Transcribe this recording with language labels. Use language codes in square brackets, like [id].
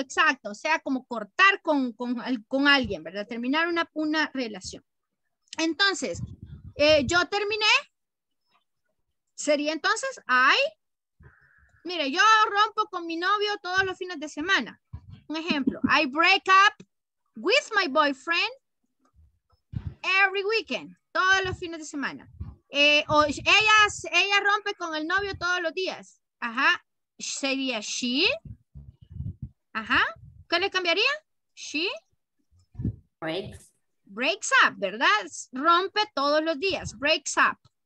[es] Exacto. O sea, como cortar con alguien, ¿verdad? Terminar una relación. Entonces, yo terminé. Sería entonces, mire, yo rompo con mi novio todos los fines de semana. Un ejemplo. [en] I break up with my boyfriend every weekend. [es] Todos los fines de semana. O ella rompe con el novio todos los días. Ajá. Sería she. Ajá. ¿Qué le cambiaría? [en] She. Breaks. Breaks up, [es] ¿verdad? Rompe todos los días. Breaks up.